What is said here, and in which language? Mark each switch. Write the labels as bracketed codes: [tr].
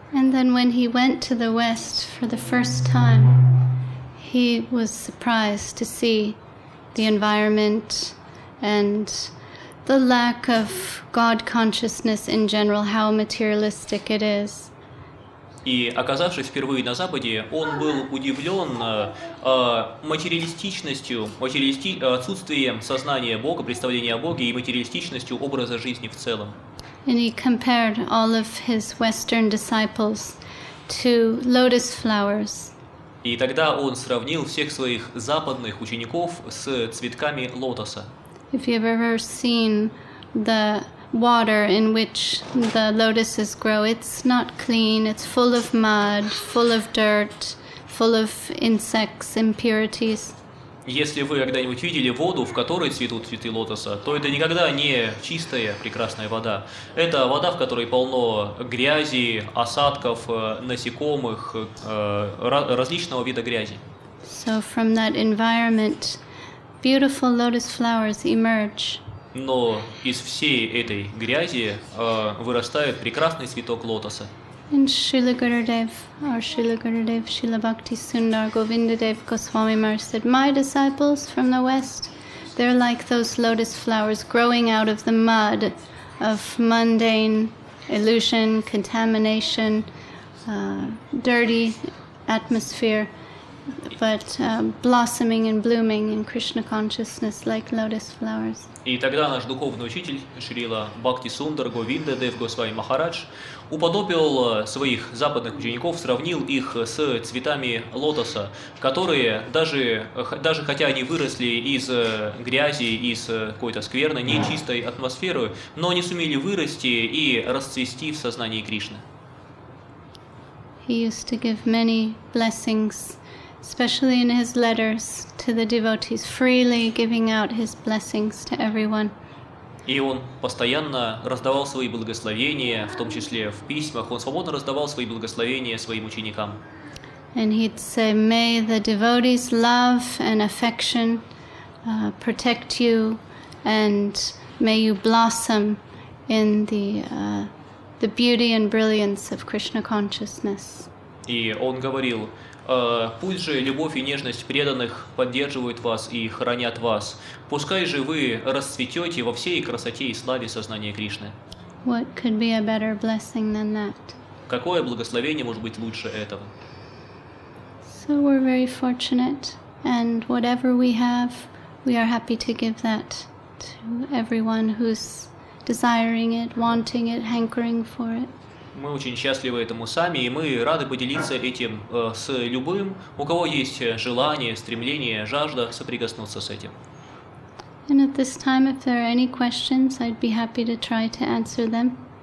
[en] And then when he went to the West for the first time, he was surprised to see the environment and the lack of God consciousness in general, how materialistic it is. [ru] И оказавшись впервые на Западе, он был удивлен материалистичностью, отсутствием сознания Бога, представления о Боге и материалистичностью образа жизни в целом. [en] And he compared all of his Western disciples to lotus flowers. [ru] И тогда он сравнил всех своих западных учеников с цветками лотоса. [en] If you've ever seen the water in which the lotuses grow, it's not clean, it's full of mud, full of dirt, full of insects, impurities. [ru] Если вы когда-нибудь видели воду, в которой цветут цветы лотоса, то это никогда не чистая, прекрасная вода. Это вода, в которой полно грязи, осадков, насекомых, различного вида грязи. [en] So from that environment, beautiful lotus flowers emerge. [ru] Но из всей этой грязи вырастает прекрасный цветок лотоса. [en] And Srila Gurudev, or Srila Gurudev, Srila Bhakti Sundar Govindadev Goswami Maharaj said, my disciples from the West, they're like those lotus flowers growing out of the mud of mundane illusion, contamination, dirty atmosphere. But blossoming and blooming in Krishna consciousness like lotus flowers. [ru] И тогда наш духовный учитель Шрила Бхакти Сундар Говинда Дев Госвами Махарадж уподобил своих западных учеников, сравнил их с цветами лотоса, которые даже хотя они выросли из грязи, из какой-то скверной, нечистой атмосферы, но они сумели вырасти и расцвести в сознании Кришны. [en] He used to give many blessings, especially in his letters to the devotees, freely giving out his blessings to everyone. [ru] И он постоянно раздавал свои благословения, в том числе в письмах. Он свободно раздавал свои благословения своим ученикам. [en] And he'd say, "May the devotees' love and affection protect you, and may you blossom in the beauty and brilliance of Krishna consciousness." [ru] И он говорил: пусть же любовь и нежность преданных поддерживают вас и хранят вас. Пускай же вы расцветете во всей красоте и славе сознания Кришны. [en] What could be a better blessing than that? [ru] Какое благословение может быть лучше этого? [en] So we're very fortunate, and whatever we have, we are happy to give that to everyone who's desiring it, wanting it, hankering for it. [ru] Мы очень счастливы этому сами, и мы рады поделиться этим с любым, у кого есть желание, стремление, жажда соприкоснуться с этим. [en] And at this time, if there are any questions, I'd be happy to try to answer them.